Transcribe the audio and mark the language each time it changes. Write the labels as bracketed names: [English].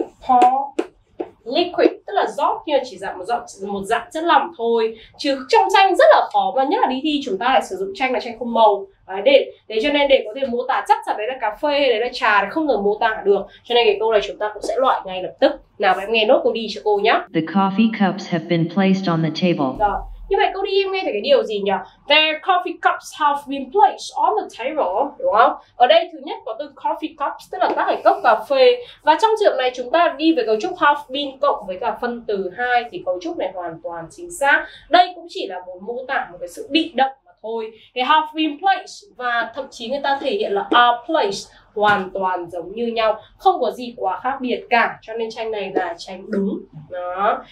[Vietnamese] Pour liquid tức là rót, như là chỉ dạng một dạng chất lỏng thôi. Chứ trong tranh rất là khó, mà nhất là đi thi chúng ta lại sử dụng tranh là tranh không màu. Đấy, để cho nên để có thể mô tả chắc chắn đấy là cà phê hay đấy là trà thì không thể mô tả được. Cho nên cái câu này chúng ta cũng sẽ loại ngay lập tức. Nào em nghe nốt câu đi cho cô nhá. [English] The coffee cups have been placed on the table. [Vietnamese] Rồi. Như vậy câu đi em nghe thấy cái điều gì nhỉ? [English] Their coffee cups have been placed on the table. [Vietnamese] Đúng không? Ở đây thứ nhất có từ coffee cups, tức là các cái cốc cà phê. Và trong trường này chúng ta đi về cấu trúc have been cộng với cả phân từ 2 thì cấu trúc này hoàn toàn chính xác. Đây cũng chỉ là một mô tả một cái sự bị động. Thôi, cái have been placed và thậm chí người ta thể hiện là are placed hoàn toàn giống như nhau, không có gì quá khác biệt cả, cho nên tranh này là tranh đúng. Đó.